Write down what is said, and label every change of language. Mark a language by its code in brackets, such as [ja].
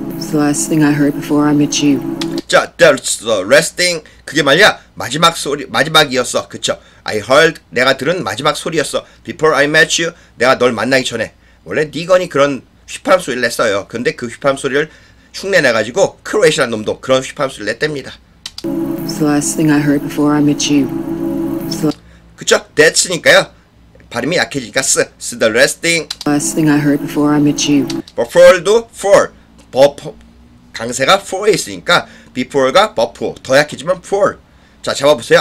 [en] It's the last thing I heard before I met you. 자, that's the last thing. [ko] 그게 말이야. 마지막 소리, 마지막이었어. 그쵸. [en] I heard. [ko] 내가 들은 마지막 소리였어. [en] Before I met you. [ko] 내가 널 만나기 전에. 원래 니건이 그런 휘파람 소리를 냈어요. 근데 그 휘파람 소리를 흉내내가지고 크로에시란 놈도 그런 휘파람 소리를 냈답니다. [en] It's the last thing I heard before I met you. [ko] The... 그쵸. That's니까요. 발음이 약해지니까 쓰. [en] It's the last thing. Last thing I heard before I met you. [ko] Before도 for. 강세가 for에 있으니까 before가 before. 더 약해지면 for. 자, 잡아보세요.